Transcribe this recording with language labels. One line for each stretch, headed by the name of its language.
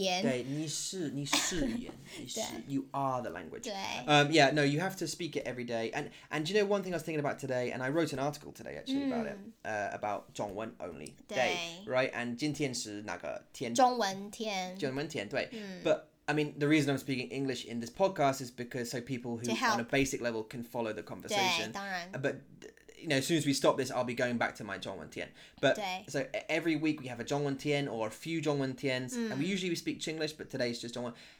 Chinese: 感觉那个语言，对，你是语言，你是
English: you are the language.
Chinese: 对,
English: yeah, no, you have to speak it every day. And you know one thing I was thinking about today, and I wrote an article today actually about it, about 中文 only day, right?
Chinese: And 今天是哪个天？中文天，中文天，对。
English: But I mean, the reason I'm speaking English in this podcast is because so people who on a basic level can follow the conversation.
Chinese: 对，当然.
English: But you know, as soon as we stop this, I'll be going back to my Zhongwen Tian. But so every week we have a Zhongwen Tian or a few Zhongwen Tians, and we usually speak Chinglish, but today it's just Zhongwen.